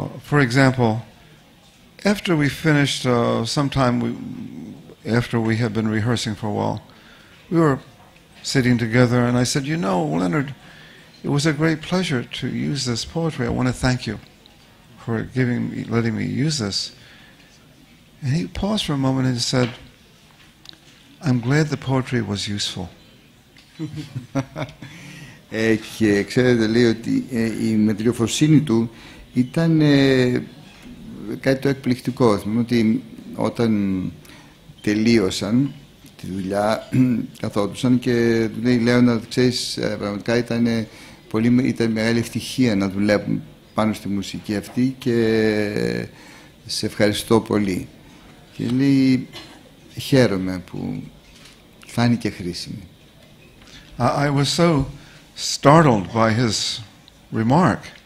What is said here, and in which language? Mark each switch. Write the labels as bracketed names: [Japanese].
[English] For example, after we finished sometime after we had been rehearsing for a while, we were sitting together, and I said, "You know, Leonard, it was a great pleasure to use this poetry. I want to thank you for letting me use this." And he paused for a moment and said, "I'm glad the poetry was useful." [Greek] Και ξέρετε, λέει ότι η μετριοφροσύνη του ήταν κάτι το εκπληκτικό. Θυμάμαι ότι όταν τελείωσαν, τη δουλειά καθόντουσαν και λέει, Λέωνα, ξέρεις, πραγματικά ήταν πολύ, ήταν μεγάλη ευτυχία να δουλεύουν πάνω στη μουσική αυτή και σε ευχαριστώ πολύ. Και λέει, χαίρομαι που φάνηκε χρήσιμη. [English] I was so startled by his remark.